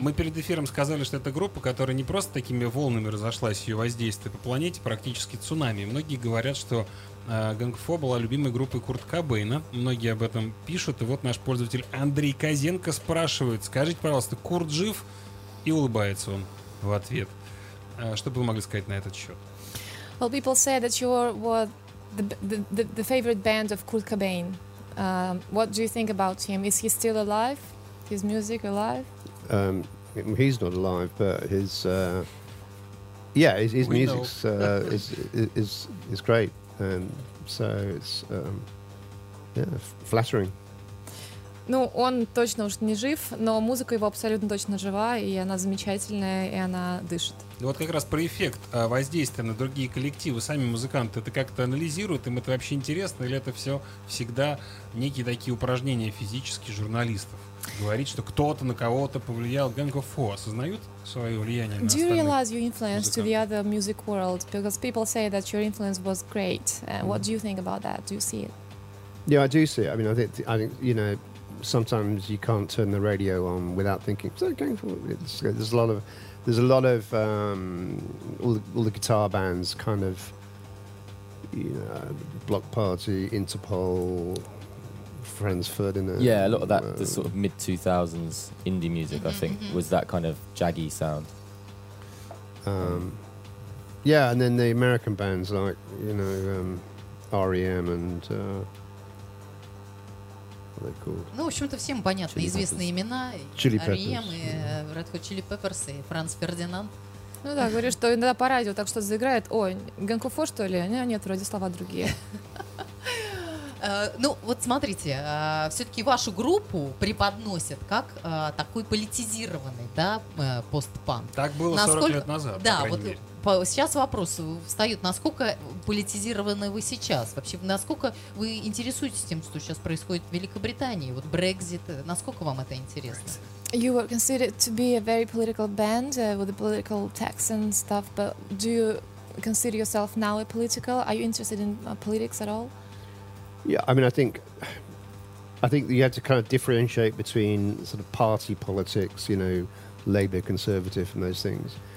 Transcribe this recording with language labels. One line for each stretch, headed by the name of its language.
Russian: Мы перед эфиром сказали, что это группа, которая не просто такими волнами разошлась, ее воздействие по планете практически цунами. Многие говорят, что Gang of Four была любимой группой Курта Кобейна. Многие об этом пишут. И вот наш пользователь Андрей Козенко спрашивает: скажите, пожалуйста, Курт жив? И улыбается он в ответ. Что бы вы могли сказать на этот счет?
English: Well, people say that you were the favorite band of Kurt Cobain. What do you think about him? Is he still alive? His music alive? He's not alive, but his his music is great, and so it's flattering.
Russian: Ну, он точно уж не жив, но музыка его абсолютно точно жива, и она замечательная, и она дышит. Вот как раз про эффект воздействия на другие коллективы, сами музыканты это как-то анализируют, им это вообще интересно, или это все всегда некие такие упражнения физические журналистов? Говорить, что кто-то на кого-то повлиял. Gang of Four осознают свое влияние на остальных?
English: Do you realize your influence to the other music world? Because people say that your influence was great. What do you think about that? Do you see it? Yeah, I do see it. I mean, I think you know, sometimes you can't turn the radio on without thinking, is that Gang of Four? There's a lot of all the guitar bands, kind of, you know, Bloc Party, Interpol, Franz Ferdinand. Yeah, a lot of that, the sort of mid-2000s indie music, I think, was that kind of jaggy sound. Yeah, and then the American bands like, you know, R.E.M. and...
Russian: Ну, в общем-то, всем понятны Chili известные
English: Peppers.
Russian: Имена.
English: Chili Peppers.
Russian: R.E.M. и Red Hot Chili Peppers и Франц Фердинанд. Ну да, говоришь, что иногда по радио так что-то заиграет. Ой, Gang of Four, что ли? Нет, вроде слова другие. Ну, вот смотрите, все-таки вашу группу преподносят как такой политизированный, да, постпанк. Так было 40 насколько... лет назад, да, по крайней вот... Сейчас вопрос встает, насколько политизированы вы сейчас? Вообще, насколько вы интересуетесь тем, что сейчас происходит в Великобритании? Вот Brexit, насколько вам это интересно?
English: You were considered to be a very political band with the political text and stuff, but do you consider yourself now a political? Are you interested in politics at all? Yeah, I mean, I think you have to kind of differentiate between sort of party politics, you know, Labour, Conservative and those things.